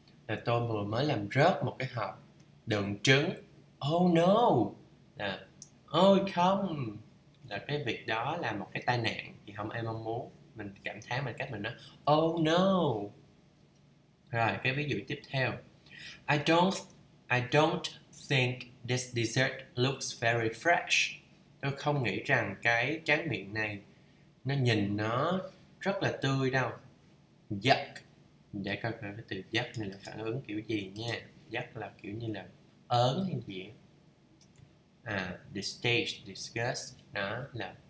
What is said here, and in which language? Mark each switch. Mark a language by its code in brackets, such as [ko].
[vi] Là tôi vừa mới làm rớt một cái hộp đựng trứng. [en] Oh no. [vi] Là ôi không. Là cái việc đó là một cái tai nạn thì không ai mong muốn. Mình cảm thán bằng cách mình nói [en] oh no. [vi] Rồi cái ví dụ tiếp theo. [en] I don't think this dessert looks very fresh. [vi] Tôi không nghĩ rằng cái tráng miệng này nó nhìn nó rất là tươi đâu. Yuck. Để coi cái từ yuck này là phản ứng kiểu gì nha. Yuck là kiểu như là ớn hay gì. À, distaste, disgust, nó là